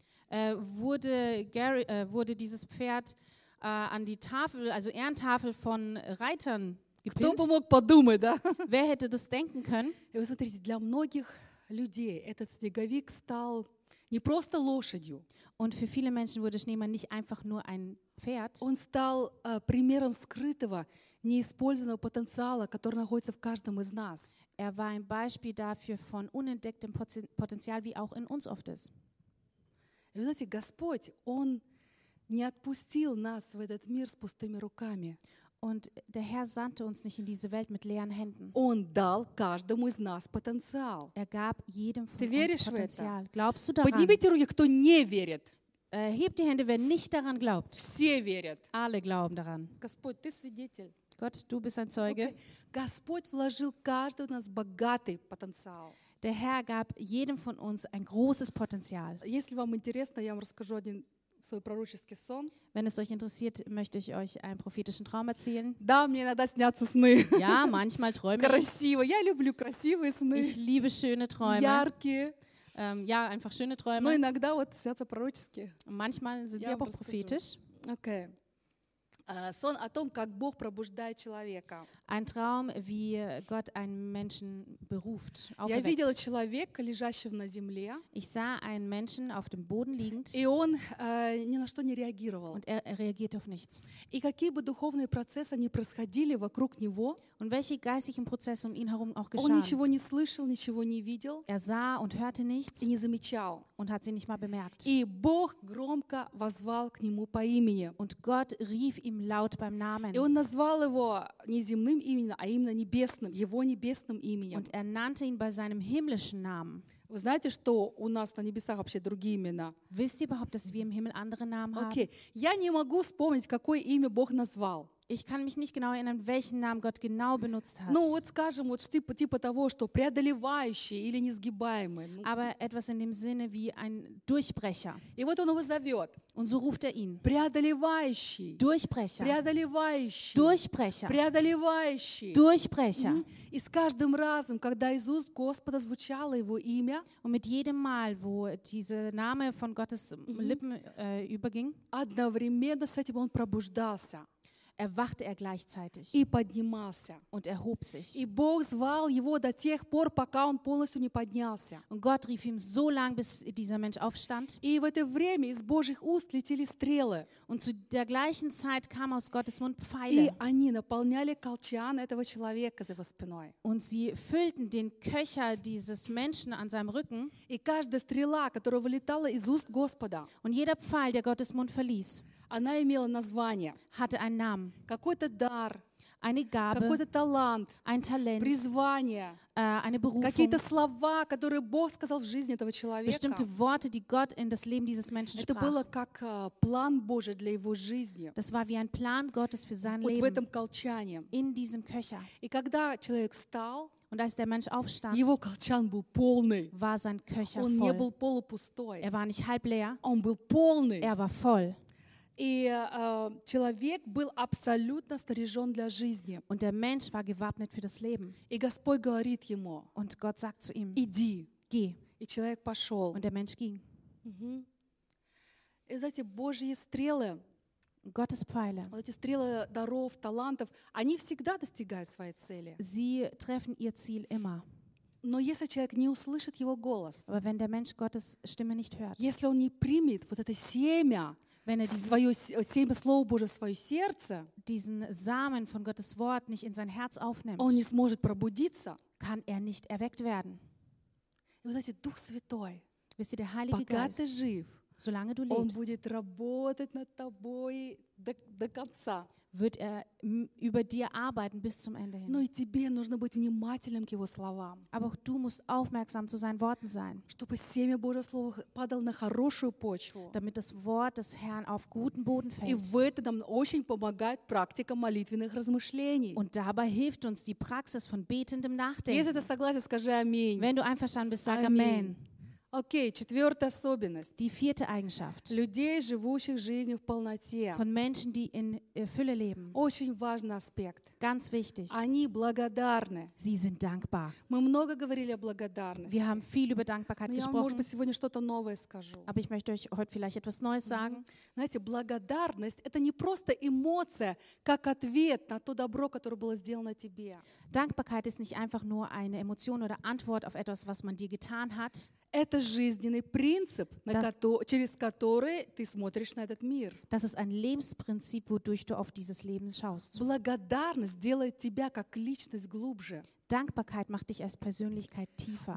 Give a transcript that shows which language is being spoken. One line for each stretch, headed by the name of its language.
German: Wurde dieses Pferd an die Tafel, also Ehrentafel von Reitern gepinnt?
Russian: Кто бы мог подумать, да?
German: Wer hätte das denken können?
Russian: И вот смотрите, для многих людей этот снеговик стал не просто лошадью.
German: Und für viele Menschen wurde Schneemann nicht einfach nur ein Pferd.
Russian: Он стал примером скрытого, неиспользованного потенциала, который находится в каждом из нас.
German: Er war ein Beispiel dafür von unentdecktem Potenzial, wie auch in uns oft ist.
Russian: И вы знаете, Господь, Он не отпустил нас в этот мир с пустыми руками.
German: Und der Herr sandte uns nicht in diese Welt mit leeren Händen.
Russian: Он дал каждому из нас потенциал.
German: Er gab jedem von uns Potenzial. Glaubst du daran?
Russian: Поднимите руки, кто не верит.
German: Hebt die Hände, wer nicht daran glaubt.
Russian: Все верят.
German: Alle glauben daran.
Russian: Господь, ты свидетель.
German: Gott, du bist ein Zeuge. Okay.
Russian: Господь вложил каждому из нас богатый потенциал.
German: Der Herr gab jedem von uns ein großes Potenzial.
Russian: Если вам интересно, я вам расскажу один свой пророческий сон.
German: Wenn es euch interessiert, möchte ich euch einen prophetischen Traum erzählen.
Russian: Да, мне иногда снятся сны.
German: Ja, manchmal träume ich.
Russian: Красиво. Я люблю красивые сны.
German: Ich liebe schöne Träume.
Russian: Яркие.
German: Ja, einfach schöne Träume.
Russian: Но иногда вот снятся пророческие.
German: Manchmal sind sie aber auch prophetisch. Okay.
Russian: Сон о том, как Бог пробуждает человека.
German: Ein Traum, wie Gott einen Menschen beruft, auferweckt.
Russian: Я видела человека, лежащего на земле.
German: Ich sah einen Menschen auf dem Boden liegend.
Russian: И он ни на что не реагировал.
German: Und er reagierte auf nichts.
Russian: И какие бы духовные процессы ни происходили вокруг него,
German: und welche geistlichen Prozesse um ihn herum auch geschahen,
Russian: он ничего не слышал, ничего не видел.
German: Er sah und hörte nichts.
Russian: И не замечал.
German: Und hat sie nicht mal bemerkt.
Russian: И Бог громко воззвал к нему по имени.
German: Und Gott rief ihm laut beim Namen.
Russian: И он назвал его не земным именем, а именно небесным, его небесным именем.
German: Und er nannte ihn bei seinem himmlischen Namen.
Russian: Вы знаете, что у нас на небесах вообще другие имена?
German: Wisst ihr überhaupt, dass wir im Himmel andere Namen haben?
Russian: Okay, я не могу вспомнить, какое имя Бог назвал.
German: Ich kann mich nicht genau erinnern, welchen Namen Gott genau benutzt hat.
Russian: Ну, вот скажем, вот типа того, что преодолевающий или несгибаемый.
German: Aber etwas in dem Sinne wie ein Durchbrecher.
Russian: И вот он его зовет.
German: Und so ruft er ihn.
Russian: Преодолевающий.
German: Durchbrecher.
Russian: Преодолевающий.
German: Durchbrecher.
Russian: Преодолевающий.
German: Durchbrecher.
Russian: И с каждым разом, когда из уст Господа звучало его имя,
German: und mit jedem Mal, wo dieser Name von Gottes Lippen überging,
Russian: одновременно с этим он пробуждался.
German: Erwachte er gleichzeitig
Russian: и поднимался.
German: Und erhob sich.
Russian: И Бог звал его до тех пор, пока он полностью не поднялся.
German: Und Gott rief ihn so lang, bis dieser Mensch aufstand.
Russian: И в это время из Божьих уст летели стрелы.
German: Und zu der gleichen Zeit kam aus Gottes Mund Pfeile.
Russian: И они наполняли колчан этого человека за его спиной.
German: Und sie füllten den Köcher dieses Menschen an seinem Rücken.
Russian: И каждая стрела, которая вылетала из уст Господа.
German: Und jeder Pfeil, der Gottes Mund verließ.
Russian: Она имела название,
German: hatte einen Namen,
Russian: какой-то дар,
German: eine Gabe,
Russian: какой-то талант,
German: ein Talent,
Russian: призвание,
German: eine Berufung,
Russian: какие-то слова, которые Бог сказал в жизни этого человека.
German: Bestimmte Worte, die Gott in das Leben dieses Menschen sprach.
Russian: Это было как план Божий для его жизни.
German: Das war wie ein Plan Gottes für sein
Russian: вот
German: Leben.
Russian: В этом колчане.
German: In diesem Köcher.
Russian: И когда человек встал,
German: und als der Mensch aufstand,
Russian: его колчан был полный.
German: War sein Köcher
Russian: он
German: voll.
Russian: Не был полупустой.
German: Er war nicht halb leer.
Russian: Он был полный.
German: Er war voll.
Russian: И человек был абсолютно снаряжен для жизни.
German: Und der Mensch war gewappnet für das Leben.
Russian: И Господь говорит ему.
German: Und Gott sagt zu ihm.
Russian: Иди.
German: Geh.
Russian: И человек пошел.
German: Und der Mensch ging.
Russian: И знаете, Божьи стрелы.
German: Gottes Pfeile.
Russian: Вот эти стрелы даров, талантов, они всегда достигают своей цели.
German: Sie treffen ihr Ziel immer.
Russian: Но если человек не услышит его голос.
German: Aber wenn der Mensch Gottes Stimme nicht hört.
Russian: Если он не примет вот это семя.
German: Wenn er
Russian: семя Слова Божьего в свое сердце,
German: diesen Samen von Gottes Wort nicht in sein Herz aufnimmt,
Russian: он не сможет пробудиться,
German: kann er nicht erweckt werden.
Russian: И вот этот Дух Святой,
German: wisst ihr, der Heilige Geist,
Russian: пока ты жив,
German: solange du lebst,
Russian: он будет работать над тобой до конца.
German: wird er über dir arbeiten bis zum Ende hin.
Russian: Но и тебе нужно быть внимательным к его словам.
German: Aber auch du musst aufmerksam zu seinen Worten sein.
Russian: Чтобы семя Божьего слова падало на хорошую почву.
German: Damit das Wort des Herrn auf guten Boden fällt.
Russian: И в этом нам очень помогает практика молитвенных размышлений.
German: Und dabei hilft uns die Praxis von betendem Nachdenken.
Russian: Если ты согласен, скажи аминь.
German: Wenn du einverstanden bist, sag amen.
Russian: Окей, четвертая особенность.
German: Die vierte Eigenschaft.
Russian: Людей, живущих жизнью в полноте.
German: Von Menschen, die in Fülle leben.
Russian: Очень важный аспект.
German: Ganz wichtig.
Russian: Они благодарны.
German: Sie sind dankbar.
Russian: Мы много говорили о благодарности.
German: Wir haben viel über Dankbarkeit gesprochen.
Russian: Я, может быть, сегодня что-то новое скажу.
German: Aber ich möchte euch heute vielleicht etwas Neues sagen.
Russian: Знаете, благодарность — это не просто эмоция, как ответ на то добро, которое было сделано тебе.
German: Dankbarkeit ist nicht einfach nur eine Emotion oder Antwort auf etwas, was man dir getan hat.
Russian: Это жизненный принцип, через который ты смотришь на этот мир.
German: Das ist ein Lebensprinzip, wodurch du auf dieses Leben schaust.
Russian: Благодарность делает тебя как личность глубже.
German: Dankbarkeit macht dich als Persönlichkeit tiefer.